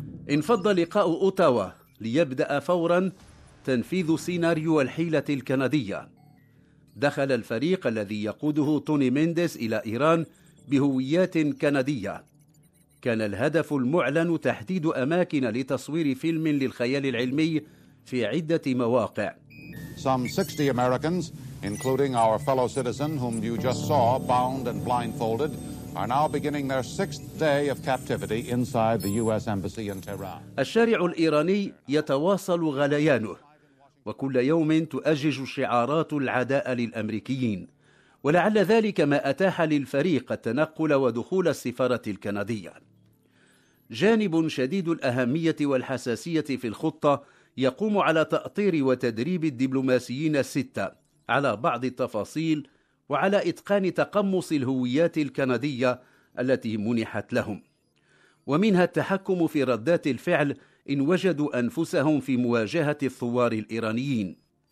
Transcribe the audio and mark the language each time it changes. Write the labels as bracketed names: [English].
[Arabic] انفض لقاء أوتاوا ليبدأ فوراً تنفيذ سيناريو الحيلة الكندية. دخل الفريق الذي يقوده توني مينديس إلى إيران بهويات كندية. كان الهدف المعلن تحديد أماكن لتصوير فيلم للخيال العلمي في عدة مواقع. [English] Some 60 Americans, including our fellow citizen whom you just saw bound and blindfolded, are now beginning their sixth day of captivity inside the U.S. embassy in Tehran. [Arabic] الشارع الإيراني يتواصل غليانه، وكل يوم تؤجج شعارات العداء للأمريكيين، ولعل ذلك ما أتاح للفريق التنقل ودخول السفارة الكندية. جانب شديد الأهمية والحساسية في الخطة يقوم على تأطير وتدريب الدبلوماسيين الستة على بعض التفاصيل وعلى إتقان تقمص الهويات الكندية التي منحت لهم، ومنها التحكم في ردات الفعل إن وجدوا أنفسهم في مواجهة الثوار الإيرانيين.